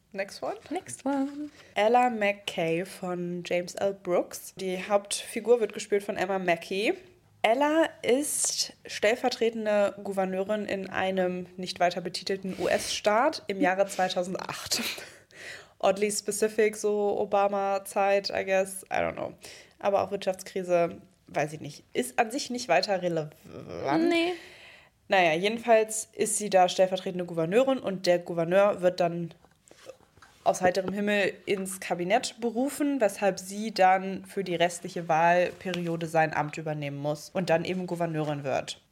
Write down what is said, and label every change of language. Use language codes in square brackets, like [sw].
[en] Next one. Ella McKay von James L. Brooks. [de] Die Hauptfigur wird gespielt von Emma Mackey. Ella ist stellvertretende Gouverneurin in einem nicht weiter betitelten US-Staat im Jahre 2008. [en] Oddly specific, so Obama-Zeit, I guess, I don't know. [de] Aber auch Wirtschaftskrise, weiß ich nicht, ist an sich nicht weiter relevant. Nee. Naja, jedenfalls ist sie da stellvertretende Gouverneurin und der Gouverneur wird dann aus heiterem Himmel ins Kabinett berufen, weshalb sie dann für die restliche Wahlperiode sein Amt übernehmen muss und dann eben Gouverneurin wird.